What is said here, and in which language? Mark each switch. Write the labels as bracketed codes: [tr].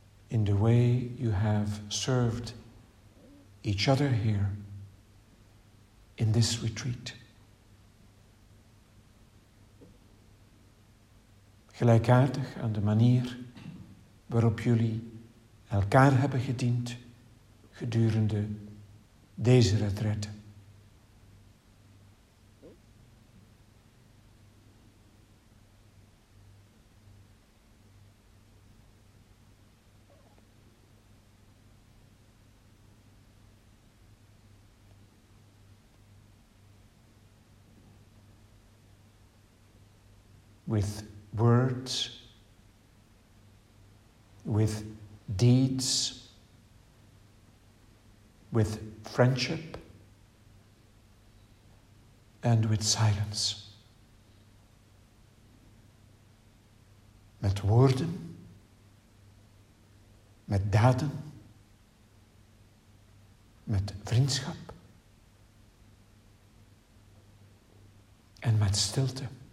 [en] In the way you have served each other here in this retreat. [nl] Gelijkaardig aan de manier waarop jullie elkaar hebben gediend gedurende deze retreat. [en] With words, with deeds, with friendship, and with silence. [nl] Met woorden, met daden, met vriendschap en met stilte.